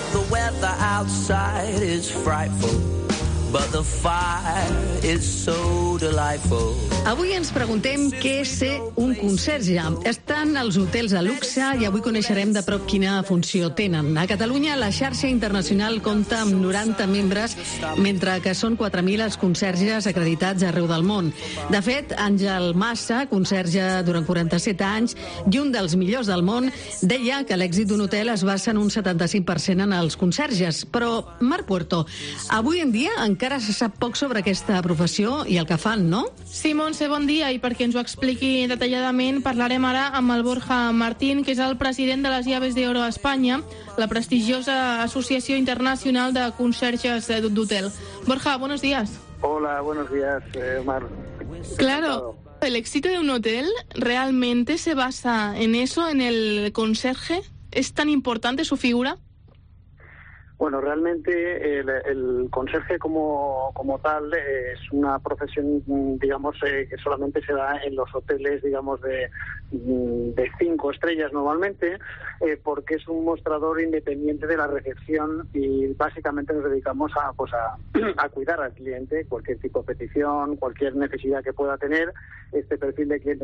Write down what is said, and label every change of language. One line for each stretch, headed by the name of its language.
English: Oh, the weather outside is frightful, but the fire is so delightful.
Catalan: Avui ens preguntem què és ser un conserge. Estan als hotels de luxe i avui coneixerem de prop quina funció tenen. A Catalunya, la xarxa internacional compta amb 90 membres, mentre que són 4.000 els conserges acreditats arreu del món. De fet, Àngel Massa, conserge durant 47 anys i un dels millors del món, deia que l'èxit d'un hotel es basa en un 75% en els conserges. Però, Marc Puerto, avui en dia encara se sap poc sobre aquesta professió i el que fan, no? Sí, Montse, bon dia. I perquè ens ho expliqui detalladament, parlarem ara amb el Borja Martín, que és el president de les Llaves d'Oro a Espanya, la prestigiosa Associació Internacional de Conserges d'Hotel.
Spanish: Borja, buenos días. Hola, buenos días, Mar. Claro, el éxito de un hotel realmente se basa en eso, en el conserje. ¿Es tan importante su figura? Bueno, realmente el conserje como tal es una profesión, digamos, que solamente se da en los hoteles, digamos, de 5 estrellas normalmente, porque es un mostrador independiente de la recepción y básicamente nos dedicamos a cuidar al cliente, cualquier tipo de petición, cualquier necesidad que pueda tener este perfil de cliente.